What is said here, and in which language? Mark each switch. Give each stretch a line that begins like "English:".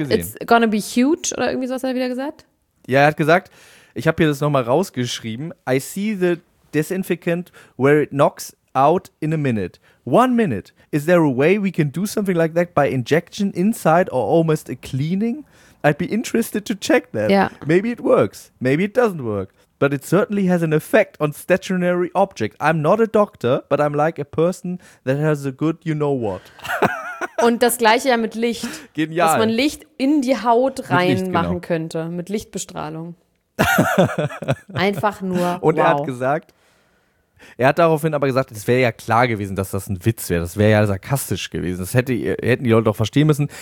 English: It's gonna be huge,
German: oder irgendwie sowas hat er wieder gesagt. Ja, er hat gesagt, ich habe hier das nochmal rausgeschrieben.
English: I see the disinfectant where it knocks out in a minute. 1 minute. Is there a way we can do something like that by injection inside or almost a cleaning? I'd be interested to check that. Yeah. Maybe it works. Maybe it doesn't work. But it certainly has an effect on stationary objects. I'm not a doctor, but I'm like a person that has a good you know what.
German: Und das gleiche ja mit Licht. Genial. Dass man Licht in die Haut reinmachen könnte. Mit Lichtbestrahlung. Einfach nur. Und wow. Er hat gesagt, er hat daraufhin aber gesagt, es wäre ja klar gewesen, dass das ein Witz wäre. Das wäre ja sarkastisch gewesen. Das hätten die Leute auch verstehen müssen.